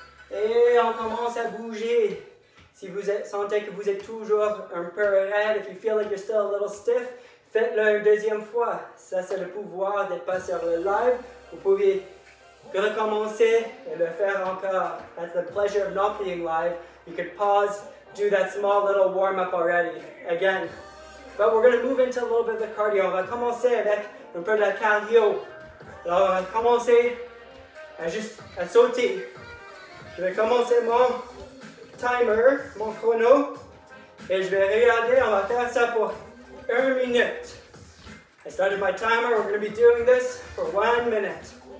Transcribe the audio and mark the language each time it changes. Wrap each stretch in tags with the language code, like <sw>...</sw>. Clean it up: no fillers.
<fr>Et on commence à bouger. Si vous sentez que vous êtes toujours un peu raide,</fr> <en>if you feel like you're still a little stiff,</en> <fr>faites-le une deuxième fois. Ça, c'est le pouvoir d'être pas sur le live. Vous pouvez de recommencer et le faire encore.</fr> <en>That's the pleasure of not being live. You could pause, do that small little warm-up already, again. But we're going to move into a little bit of the cardio.</en> <fr>On va commencer avec un peu de la cardio. Alors, on va commencer à juste à sauter. Je vais commencer mon timer, mon chrono. Et je vais regarder, on va faire ça pour 1 minute.</fr> <en>I started my timer, we're going to be doing this for 1 minute.</en>